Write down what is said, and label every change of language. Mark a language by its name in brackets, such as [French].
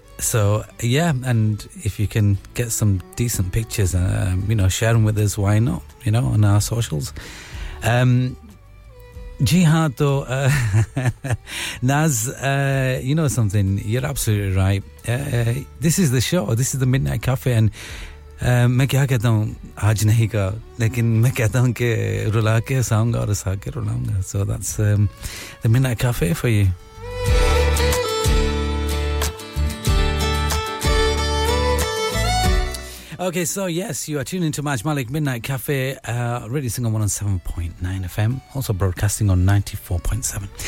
[English] So yeah, and if you can get some decent pictures, you know, share them with us, why not, you know, on our socials. Jiha to Naz, you know something, you're absolutely right. This is the show, this is the Midnight Cafe. [Hindi] And मैं क्या कहता हूँ आज नहीं का लेकिन मैं कहता हूँ कि रुला के हंसाऊंगा और हंसा के रुलाऊंगा. [English] So that's the Midnight Cafe for you. Okay, so yes, you are tuning into Maj Malik Midnight Cafe, Radio Sangam 107.9 FM, also broadcasting on 94.7.